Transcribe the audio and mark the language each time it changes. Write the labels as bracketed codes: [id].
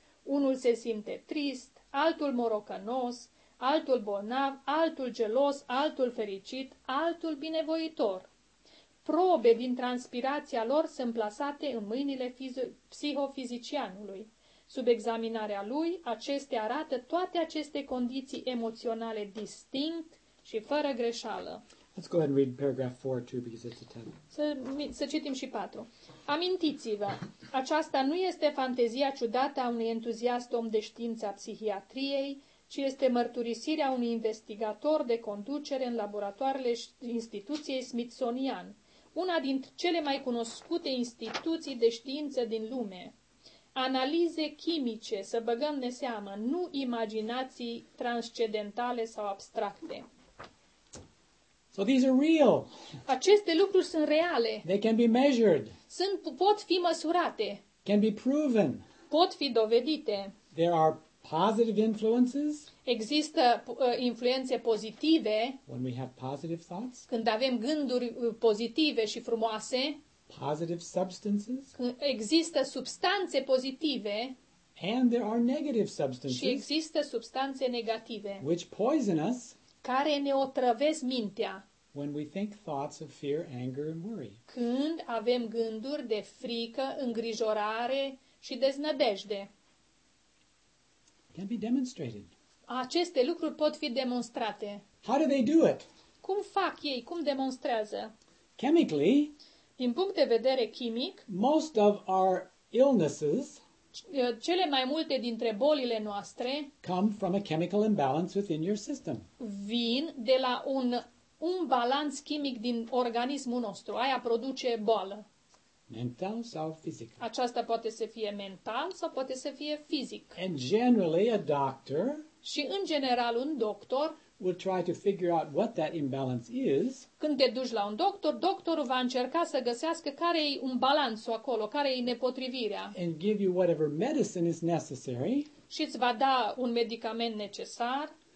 [ro] Unul se simte trist, altul morocănos, altul bolnav, altul gelos, altul fericit, altul binevoitor. Probe din transpirația lor sunt plasate în mâinile psihofizicianului. Sub examinarea lui, acestea arată toate aceste condiții emoționale distinct și fără greșeală. [en] Let's go ahead and read paragraph 4 too, because it's a 10. [ro] Să citim și 4. Amintiți-vă, aceasta nu este fantezia ciudată a unui entuziast om de știința psihiatriei, ci este mărturisirea unui investigator de conducere în laboratoarele instituției Smithsonian, una dintre cele mai cunoscute instituții de știință din lume. Analize chimice, să băgăm de seamă, nu imaginații transcendentale sau abstracte. [en] So these are real. [ro] Aceste lucruri sunt reale. [en] They can be measured. [ro] Pot fi măsurate. [en] Can be proven. [ro] Pot fi dovedite. [en] There are positive influences. [ro] Există influențe pozitive. [en] When we have positive thoughts. [ro] Când avem gânduri pozitive și frumoase. [en] Positive substances. [ro] Există substanțe pozitive. [en] And there are negative substances. [ro] Și există substanțe negative. [en] Which poison us. [ro] Care ne otrăvesc mintea. [en] When we think thoughts of fear, anger and worry. [ro] Când avem gânduri de frică, îngrijorare și deznădejde. [en] Can be demonstrated. [ro] Aceste lucruri pot fi demonstrate. [en] How do they do it? [ro] Cum fac ei? Cum demonstrează? [en] Chemically, [ro] din punct de vedere chimic, [en] most of our illnesses [ro] cele mai multe dintre bolile noastre [en] come from a chemical imbalance within your system. [ro] Vin de la un balans chimic din organismul nostru. Aia produce boală. Mental sau fizic. Aceasta poate să fie mental sau poate să fie fizic. [en] And generally a doctor [ro] și în general un doctor [en] will try to figure out what that imbalance is. [ro] Când te duci la un doctor, doctorul va încerca să găsească care e un balansul acolo, care e nepotrivirea. [en] And give you whatever medicine is necessary. [ro] Și îți va da un medicament necesar